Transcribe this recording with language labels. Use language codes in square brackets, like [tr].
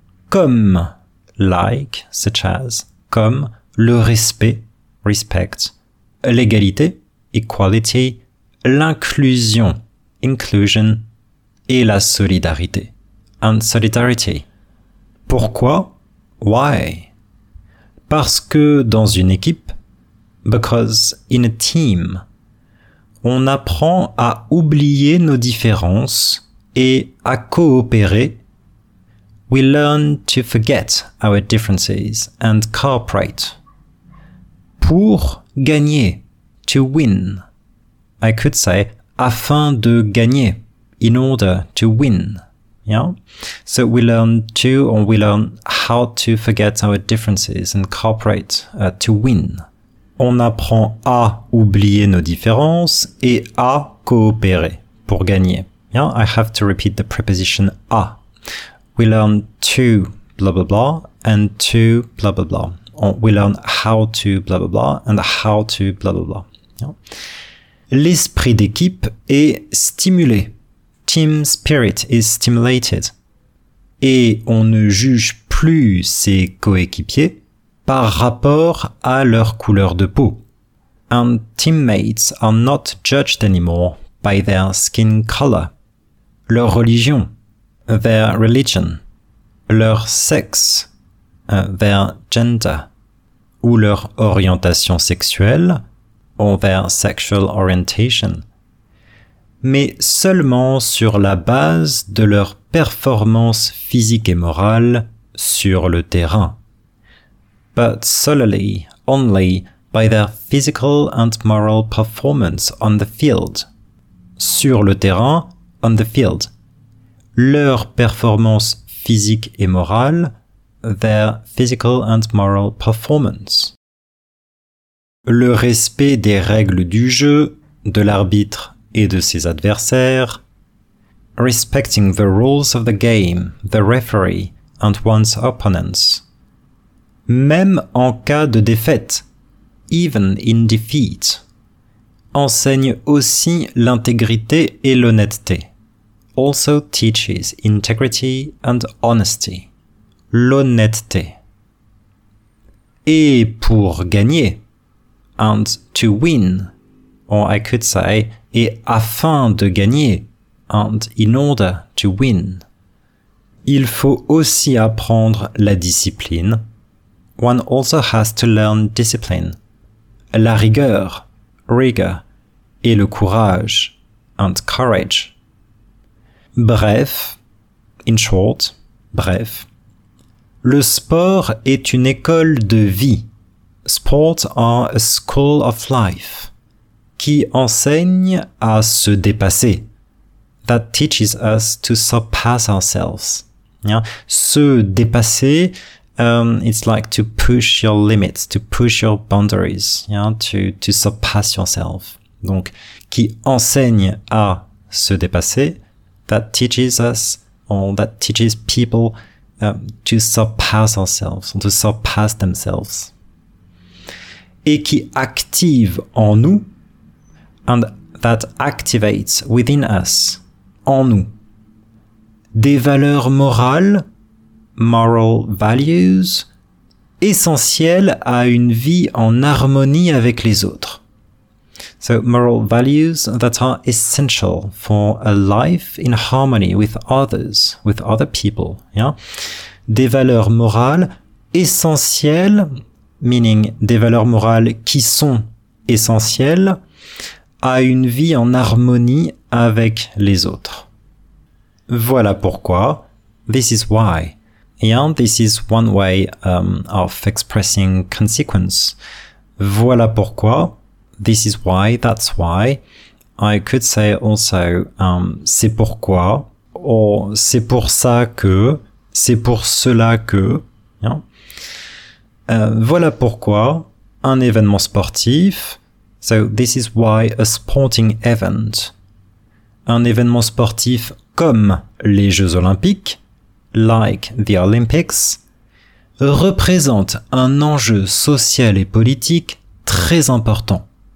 [fr] Comme, [en] like, such as, [fr] comme, le respect, respect, l'égalité, equality, l'inclusion, inclusion, et la solidarité, [en] and solidarity. [fr] Pourquoi? Why? Parce que dans une équipe, [en] because in a team, [fr] on apprend à oublier nos différences et à coopérer. [en] We learn to forget our differences and cooperate. [fr] Pour gagner, [en] to win. I could say, [fr] afin de gagner, [en] in order to win. Yeah? So we learn to, or we learn how to forget our differences and cooperate to win. [fr] On apprend à oublier nos différences et à coopérer pour gagner. [en] Yeah? I have to repeat the preposition à. We learn to blah blah blah and to blah blah blah. We learn how to blah blah blah and how to blah blah blah. Yeah? [fr] L'esprit d'équipe est stimulé. [en] Team spirit is stimulated. [fr] Et on ne juge plus ses coéquipiers par rapport à leur couleur de peau. [en] And teammates are not judged anymore by their skin color, [fr] leur religion, [en] their religion, [fr] leur sexe, [en] their gender, [fr] ou leur orientation sexuelle, [en] or their sexual orientation, [fr] mais seulement sur la base de leur performance physique et morale sur le terrain. [en] But solely, only, by their physical and moral performance on the field. [fr] Sur le terrain, [en] on the field. [fr] Leur performance physique et morale, [en] their physical and moral performance. [fr] Le respect des règles du jeu, de l'arbitre et de ses adversaires. [en] Respecting the rules of the game, the referee, and one's opponents. [fr] Même en cas de défaite, [en] even in defeat, [fr] enseigne aussi l'intégrité et l'honnêteté. [en] Also teaches integrity and honesty, l'honnêteté. [fr] Et pour gagner, [en] and to win, or I could say, [fr] et afin de gagner, [en] and in order to win. [fr] Il faut aussi apprendre la discipline. [en] One also has to learn discipline, [fr] la rigueur, [en] rigor, [fr] et le courage, [en] and courage. [fr] Bref, [en] in short, [fr] bref, le sport est une école de vie. [en] Sports are a school of life, [fr] qui enseigne à se dépasser, [en] that teaches us to surpass ourselves. Yeah? Se dépasser, it's like to push your limits, to push your boundaries, yeah? to surpass yourself. [fr] Donc, qui enseigne à se dépasser, [en] that teaches us, or that teaches people to surpass ourselves, or to surpass themselves. [fr] Et qui active en nous, [en] and that activates within us, [fr] en nous, des valeurs morales, [en] moral values, [fr] essentielles à une vie en harmonie avec les autres. [en] So, moral values that are essential for a life in harmony with others, with other people, yeah? [fr] Des valeurs morales essentielles, meaning des valeurs morales qui sont essentielles à une vie en harmonie avec les autres. Voilà pourquoi. [en] This is why. And this is one way of expressing consequence. [fr] Voilà pourquoi. [en] This is why. That's why. I could say also [fr] c'est pourquoi, or c'est pour ça que, c'est pour cela que. Hein. Voilà pourquoi un événement sportif. [en] So this is why a sporting event. [fr] Un événement sportif comme les Jeux Olympiques, [en] like the Olympics, [fr] représente un enjeu social et politique très important.